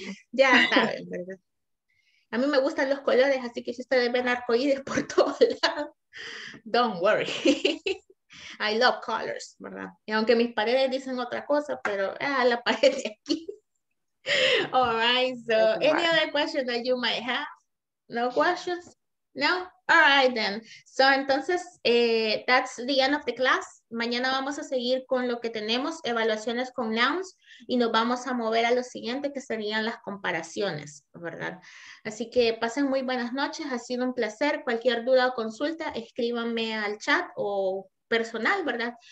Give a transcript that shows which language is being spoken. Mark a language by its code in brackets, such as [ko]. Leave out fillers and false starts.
[es] Ya saben, ¿verdad? A mí me gustan los colores, así que si ustedes ven arcoíris por todos lados, [en] don't worry. I love colors, ¿verdad? [es] Y aunque mis paredes dicen otra cosa, pero la pared de aquí. [en] All right, so, any other question that you might have? No questions? No? All right then. So, entonces, that's the end of the class. [es] Mañana vamos a seguir con lo que tenemos, evaluaciones con nouns, y nos vamos a mover a lo siguiente, que serían las comparaciones, ¿verdad? Así que pasen muy buenas noches. Ha sido un placer. Cualquier duda o consulta, escríbanme al chat o personal, ¿verdad?